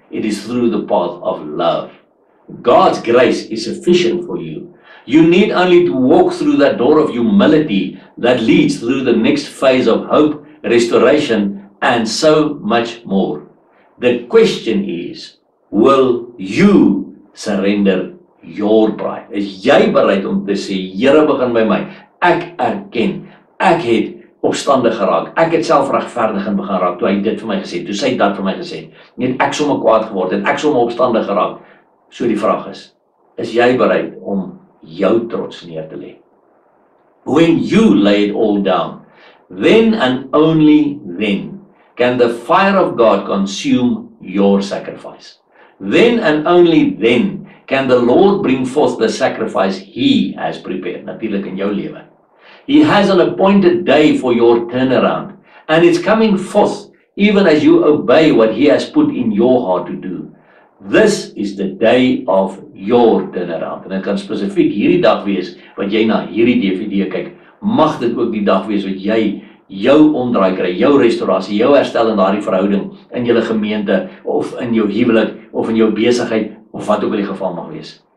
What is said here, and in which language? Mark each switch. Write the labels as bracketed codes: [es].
[en] It is through the path of love. God's grace is sufficient for you. You need only to walk through that door of humility that leads through the next phase of hope, restoration, and so much more. The question is, will you surrender your pride? [af] Is jy bereid om te sê, Here begin by my, ek erken, ek het opstandig geraak, ek het self regverdig en begin raak, toe hy dit vir my gesê, toe sy dat vir my gesê, net ek sommer kwaad geword en ek sommer opstandig geraak. So die vraag is jy bereid om jou trots neer te lê? [en] When you lay it all down, then and only then can the fire of God consume your sacrifice. Then and only then can the Lord bring forth the sacrifice He has prepared, [af] natuurlijk in jou leven. [en] He has an appointed day for your turnaround, and it's coming forth even as you obey what He has put in your heart to do. This is the day of your turnaround. [af] En dit kan specifiek hierdie dag wees, wat jy na hierdie DVD kyk, mag dit ook die dag wees wat jy jou omdraai kry, jou restaurasie, jou herstel in daardie verhouding, in jou gemeente, of in jou huwelik, of in jou besigheid, of wat ook in die geval mag wees.